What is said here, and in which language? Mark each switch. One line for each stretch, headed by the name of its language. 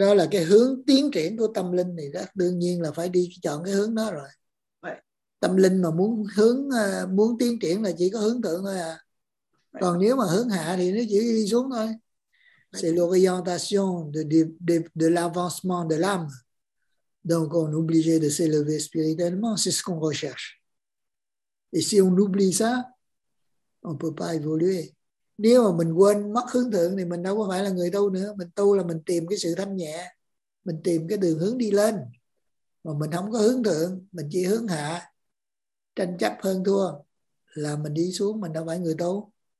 Vietnamese: Cái hướng tiến triển của tâm linh thì đương nhiên là phải đi chọn cái hướng đó rồi.
French: Ouais.
Vietnamese: Tâm linh mà muốn tiến triển là chỉ có hướng thượng thôi à. Ouais. Còn nếu mà hướng hạ thì nó chỉ đi xuống thôi.
French: C'est l'orientation de l'avancement de l'âme. Donc, on est obligé de s'élever spirituellement. C'est ce qu'on recherche. Et si on oublie ça, on ne peut pas évoluer.
Vietnamese: Nếu mà mình quên mất hướng thượng, thì mình đâu có phải là người tu nữa. Mình tu là mình tìm cái sự thanh nhẹ. Mình tìm cái đường hướng đi lên. Mà mình không có hướng thượng, mình chỉ hướng hạ. Tranh chấp hơn thua. Là mình đi xuống, mình đâu phải người tu.